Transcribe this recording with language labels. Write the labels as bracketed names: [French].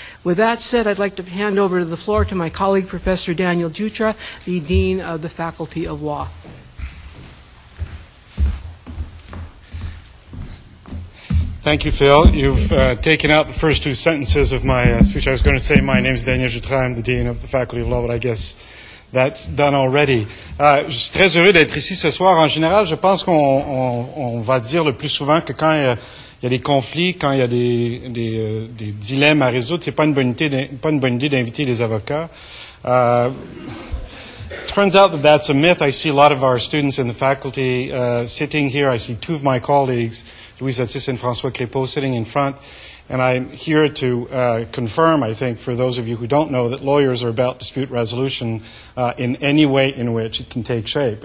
[English] With that said, I'd like to hand over to the floor to my colleague, Professor Daniel Jutra, the Dean of the Faculty of Law. Thank you, Phil. You've taken out the first two sentences of my speech. I was going to say my name is Daniel Jutra, I'm the Dean of the Faculty of Law, but I guess that's done already. [French] Je suis très heureux d'être ici ce soir. En général, je pense qu'on va dire le plus souvent que quand il y a des conflits, quand il y a des dilemmes à résoudre, c'est pas une bonne idée d'inviter les avocats. [English] Turns out that that's a myth. I see a lot of our students in the faculty sitting here. I see two of my colleagues, Louise Attis and François Crépeau, sitting in front. And I'm here to confirm, I think, for those of you who don't know, that lawyers are about dispute resolution in any way in which it can take shape.